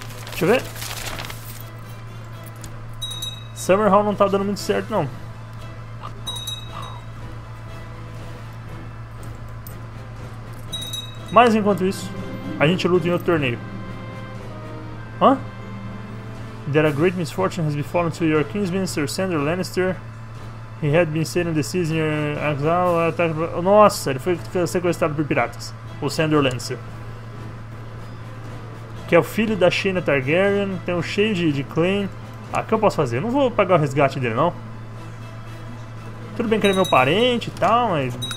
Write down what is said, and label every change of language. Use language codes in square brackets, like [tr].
[pt] Deixa eu ver. Summerhall não tá dando muito certo não. Mas enquanto isso, a gente luta em outro torneio. Hã? [en] There a great misfortune has befallen to your kinsman, Sir Sandor Lannister. He had been sailing the seas in your exile. [pt] Nossa, ele foi sequestrado por piratas. O Sandor Lannister. Que é o filho da Shayna Targaryen. Tem um cheio de claim. Ah, o que eu posso fazer? Eu não vou pagar o resgate dele, não. Tudo bem que ele é meu parente e tal, mas...